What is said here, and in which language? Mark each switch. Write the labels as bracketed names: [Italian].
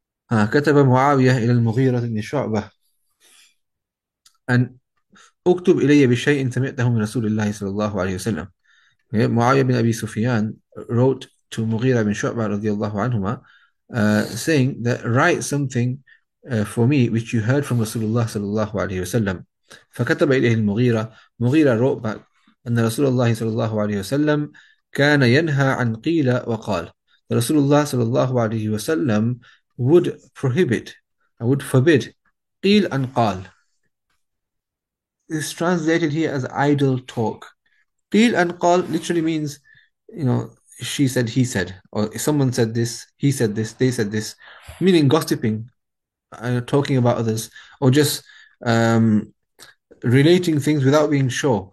[Arabic] كتب معاوية إلى المغيرة بن شعبة أن أكتب إلي بشيء سمعته من رسول الله صلى الله عليه وسلم. [English] معاوية بن أبي سفيان wrote to مغيرة بن شعبة رضي الله عنهما saying that write something for me which you heard from Rasulullah sallallahu alayhi wa sallam. [Arabic] فكتب إليه المغيرة. مغيرة [English] wrote back [Arabic] أن رسول الله صلى الله عليه وسلم كان ينهى عن قيل وقال. [English] Rasulullah sallallahu alayhi wa sallam would prohibit, would forbid قيل and قال. It's translated here as idle talk. قيل and قال literally means, you know, she said, he said, or someone said this, he said this, they said this, meaning gossiping, talking about others, or just relating things without being sure.